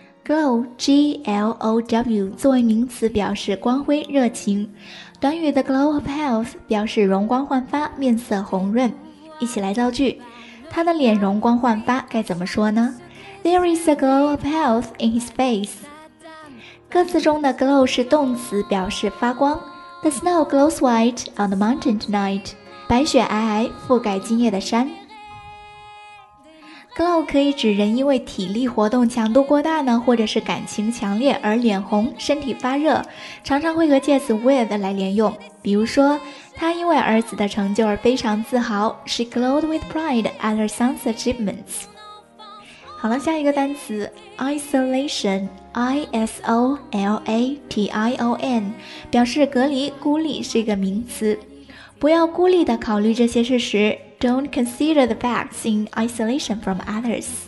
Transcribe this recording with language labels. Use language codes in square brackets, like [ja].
[zh] glow, G-L-O-W, 作为名词表示光辉热情。短语的 glow of health 表示容光焕发，面色红润。一起来造句，他的脸容光焕发，该怎么说呢？ [en] There is a glow of health in his face. [zh] 歌词中的 glow 是动词，表示发光。 [en] The snow glows white on the mountain tonight. [zh] 白雪皑皑，覆盖今夜的山。 Glow 可以指人因为体力活动强度过大呢，或者是感情强烈而脸红，身体发热，常常会和介词 with 来连用。比如说，他因为儿子的成就而非常自豪 ， [en] She glowed with pride at her son's achievements。 [zh] 好了，下一个单词 isolation，isolation 表示隔离、孤立，是一个名词。不要孤立地考虑这些事实。 [en] Don't consider the facts in isolation from others.